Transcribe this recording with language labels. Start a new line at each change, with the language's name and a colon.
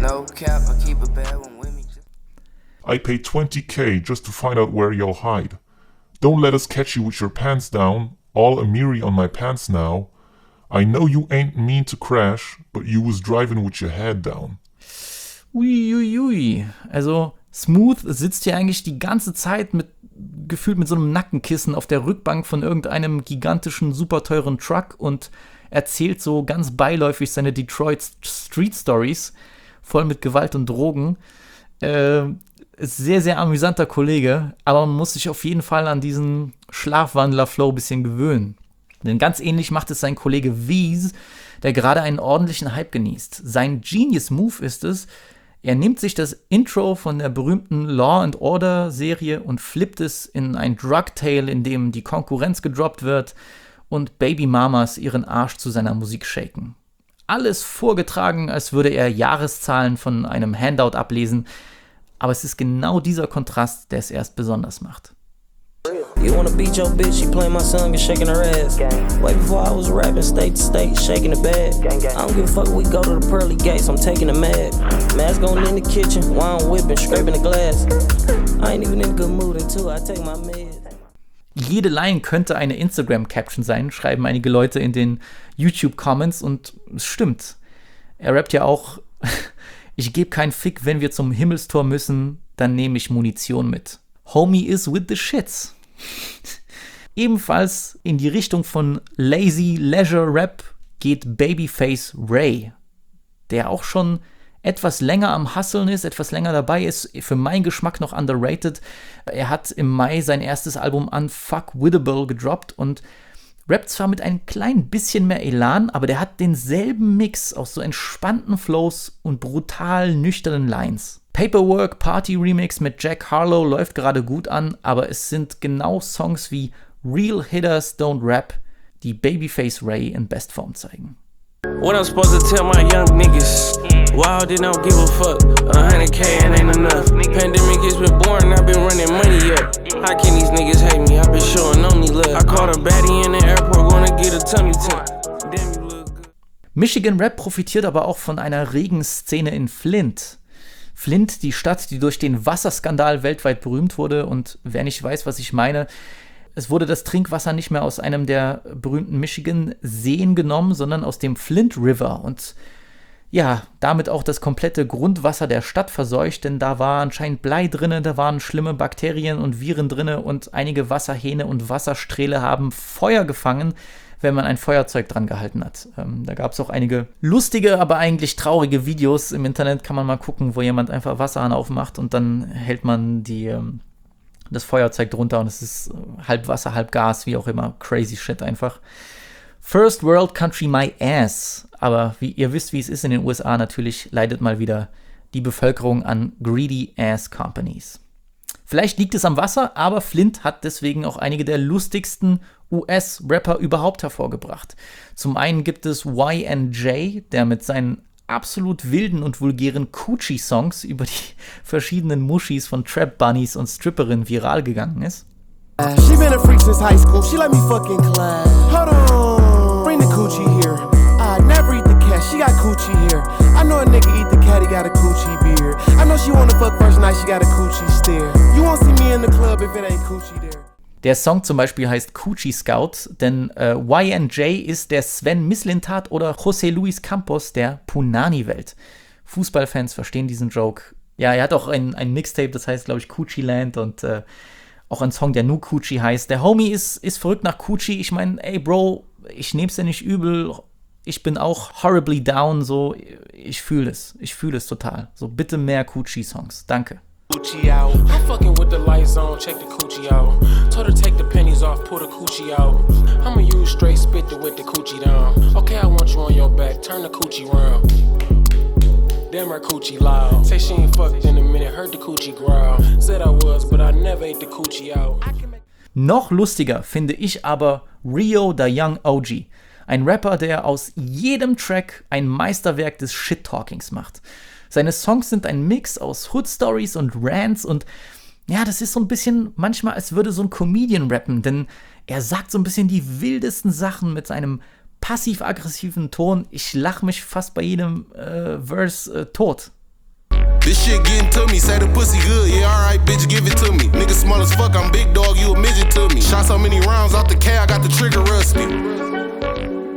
English: No cap, I keep a bad one with me. I pay 20k just to find out where you'll hide. Don't let us catch you with your pants down, all amiri on my pants now. I know you ain't mean to crash, but you was driving with your head down.
German: Uiuiui, also Smooth sitzt hier eigentlich die ganze Zeit mit gefühlt mit so einem Nackenkissen auf der Rückbank von irgendeinem gigantischen, superteuren Truck und erzählt so ganz beiläufig seine Detroit Street Stories, voll mit Gewalt und Drogen. Sehr, sehr amüsanter Kollege, aber man muss sich auf jeden Fall an diesen Schlafwandler-Flow ein bisschen gewöhnen. Denn ganz ähnlich macht es sein Kollege Wies, der gerade einen ordentlichen Hype genießt. Sein Genius Move ist es, er nimmt sich das Intro von der berühmten Law and Order Serie und flippt es in ein Drug Tale, in dem die Konkurrenz gedroppt wird und Baby Mamas ihren Arsch zu seiner Musik shaken. Alles vorgetragen, als würde er Jahreszahlen von einem Handout ablesen, aber es ist genau dieser Kontrast, der es erst besonders macht.
English: You wanna beat your bitch, she playing my song and shaking her ass. Gang. Way before I was rapping state to state, shaking the bag. Gang, gang. I don't give a fuck, we go to the pearly gates, I'm taking a mag. Mask on in the kitchen, while I'm whipping, scraping the glass. I ain't even in a good mood until I take my meds.
German: Jede Line könnte eine Instagram-Caption sein, schreiben einige Leute in den YouTube-Comments und es stimmt. Er rappt ja auch, ich geb keinen Fick, wenn wir zum Himmelstor müssen, dann nehme ich Munition mit.
English: Homie is with the shits.
German: Ebenfalls in die Richtung von Lazy Leisure Rap geht Babyface Ray, der auch schon etwas länger am Hustlen ist, etwas länger dabei ist, für meinen Geschmack noch underrated. Er hat im Mai sein erstes Album Unfuckwithable gedroppt und rappt zwar mit ein klein bisschen mehr Elan, aber der hat denselben Mix aus so entspannten Flows und brutal nüchternen Lines. Paperwork Party Remix mit Jack Harlow läuft gerade gut an, aber es sind genau Songs wie Real Hitters Don't Rap, die Babyface Ray in Bestform zeigen.
English: What I'm supposed to tell my young niggas? Why they don't give a fuck? 100k ain't enough. Pandemic has been boring, I've been running money up. How can these niggas hate me? I've been showing only love. I caught a baddie in the airport, gonna get a tummy tuck.
German: Michigan Rap profitiert aber auch von einer regen Szene in Flint. Flint, die Stadt, die durch den Wasserskandal weltweit berühmt wurde. Und wer nicht weiß, was ich meine, es wurde das Trinkwasser nicht mehr aus einem der berühmten Michigan-Seen genommen, sondern aus dem Flint River. Und ja, damit auch das komplette Grundwasser der Stadt verseucht, denn da war anscheinend Blei drinne, da waren schlimme Bakterien und Viren drinne und einige Wasserhähne und Wassersträhle haben Feuer gefangen, wenn man ein Feuerzeug dran gehalten hat. Da gab es auch einige lustige, aber eigentlich traurige Videos im Internet, kann man mal gucken, wo jemand einfach Wasserhahn aufmacht und dann hält man das Feuerzeug drunter und es ist halb Wasser, halb Gas, wie auch immer,
English: crazy shit
German: einfach.
English: First World Country my ass.
German: Aber wie ihr wisst, wie es ist in den USA, natürlich leidet mal wieder die Bevölkerung an
English: greedy ass companies.
German: Vielleicht liegt es am Wasser, aber Flint hat deswegen auch einige der lustigsten US-Rapper überhaupt hervorgebracht. Zum einen gibt es YNJ, der mit seinen absolut wilden und vulgären Coochie-Songs über die verschiedenen Muschis von Trap-Bunnies und Stripperinnen viral gegangen ist.
English: She been a freak since high school, she let me fucking clap. Hold on, bring the coochie here. I never eat the cat, she got coochie here. I know a nigga eat the cat, he got a coochie beard. I know she wanna fuck first night, she got a coochie stare. You won't see me in the club if it ain't coochie there.
German: Der Song zum Beispiel heißt Coochie Scout, denn YNJ ist der Sven Mislintat oder José Luis Campos der Punani-Welt. Fußballfans verstehen diesen Joke. Ja, er hat auch ein Mixtape, das heißt, glaube ich, Coochie Land und auch ein Song, der nur Coochie heißt. Der Homie ist verrückt nach Coochie. Ich meine, ey Bro, ich nehm's dir nicht übel. Ich bin auch
English: horribly down,
German: so. Ich fühle es. Ich fühle es total. So, bitte mehr Coochie-Songs. Danke. Coochie out.
English: I'm fucking with the lights on, check the coochie out. Told her take the pennies off, pull the coochie out. I'ma use straight spit to whip the coochie down. Okay, I want you on your back, turn the coochie round. Damn her coochie loud. Say she ain't fucked in a minute, heard the coochie growl. Said I was, but I never ate the coochie out.
German: Noch lustiger finde ich aber Rio the Young OG. Ein Rapper, der aus jedem Track ein Meisterwerk des Shit-Talkings macht. Seine Songs sind ein Mix aus Hood-Stories und Rants und ja, das ist so ein bisschen manchmal, als würde so ein Comedian rappen, denn er sagt so ein bisschen die wildesten Sachen mit seinem passiv-aggressiven Ton. Ich lach mich fast bei jedem Verse tot.
English: This shit getting to me, say the pussy good, yeah alright bitch give it to me. Nigga small as fuck, I'm big dog, you a midget to me. Shot so many rounds off the K, I got the trigger rusty.